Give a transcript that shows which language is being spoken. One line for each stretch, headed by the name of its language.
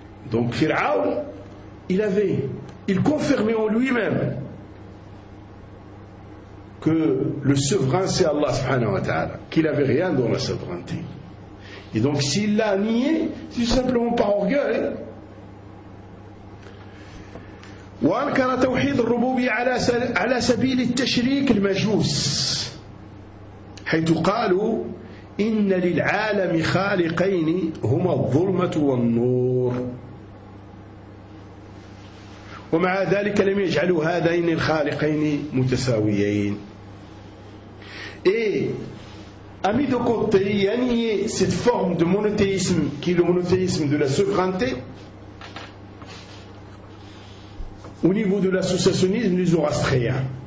French: Donc Pharaon, il confirmait en lui-même que le souverain c'est Allah subhanahu wa ta'ala, qu'il n'avait rien dans la souveraineté. Et donc s'il l'a nié, c'est tout simplement par orgueil.
Arabic: وَأَنْكَرَ تَوْحِيدُ الرُّبُوبِيَّةِ عَلَى سَبِيلِ التَّشْرِيكِ الْمَجُوسِ حَيْتُ قَالُوا إِنَّ لِلْعَالَمِ خَالِقَيْنِ هُمَا الظُّلْمَةُ وَالنُّورِ ومع ذلك لم يجعلوا هذين الخالقين متساويين.
French: Et a mis de côté, il a nié cette forme de monothéisme qui est le monothéisme de la souveraineté au niveau de l'associationnisme du zoroastrien.